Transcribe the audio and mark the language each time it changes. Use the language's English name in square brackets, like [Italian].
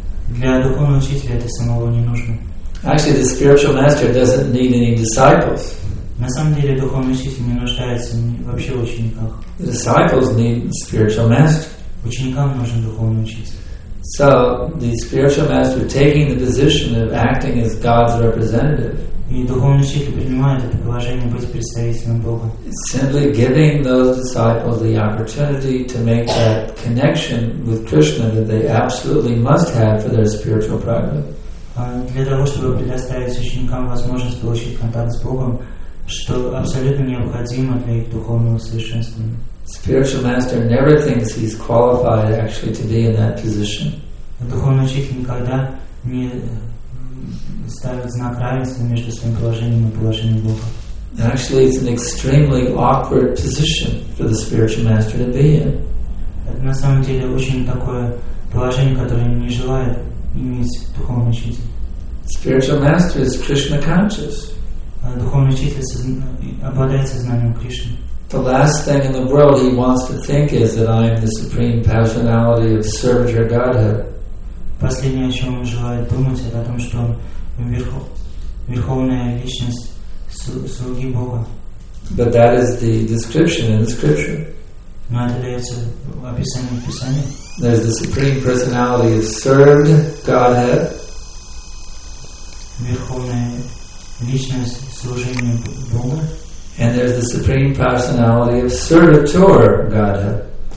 [Russian] Для духовного учителя это самого не нужно. [English] Actually, the spiritual master doesn't need any disciples. [Russian] На самом деле, духовный учитель не нуждается вообще в учениках. [English] The disciples need a spiritual master. [Russian] Ученикам нужен духовный учитель. [English] So, the spiritual master taking the position of acting as God's representative. [Russian] И духовный учитель принимает это положение быть представителем Бога. [English] Simply giving those disciples the opportunity to make that connection with Krishna that they absolutely must have for their spiritual progress. [Russian] Для того, чтобы предоставить ученикам возможность получить контакт с Богом, что абсолютно необходимо для их духовного совершенствования. [English] Spiritual master never thinks he's qualified actually to be in that position. [Russian] Духовный учитель никогда не ставит знак равенства между своим положением и положением Бога. [English] Actually, it's an extremely awkward position for the spiritual master to be in. [Russian] Это на самом деле очень такое положение, которое не желает иметь духовный учитель. [English] Spiritual master is Krishna conscious. [Russian] Духовный учитель обладает сознанием Кришны. [English] The last thing in the world he wants to think is that I am the supreme personality of Servitor Godhead. [Russian] Последнее, о чем он желает думать, это о том, что он верховная личность слуги Бога. [English] But that is the description in the scripture. [Russian] Но это дается описание в Писании. [English] There's the supreme personality of Servitor Godhead. [Russian] Верховная личность служения Бога. [English] And there's the supreme personality of Servitor Godhead.